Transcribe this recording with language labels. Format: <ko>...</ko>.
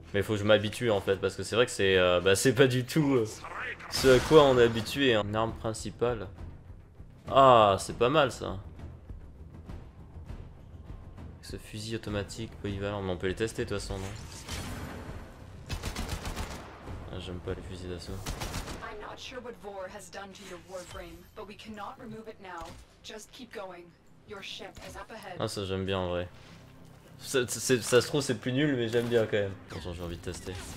<fr>Mais faut que je m'habitue en fait, parce que c'est vrai que c'est bah, c'est pas du tout ce à quoi on est habitué. Hein. Une arme principale. Ah, c'est pas mal ça. Ce fusil automatique polyvalent, mais on peut les tester de toute façon, non? Ah, j'aime pas les fusils d'assaut.</fr> <en>I'm not sure what Vor has done to your warframe, but we cannot remove it now. Just keep going. Your ship is up ahead.</en> <fr>Ah, ça j'aime bien en vrai. Ça se trouve c'est plus nul mais j'aime bien quand même. Attends, j'ai envie de tester.</fr>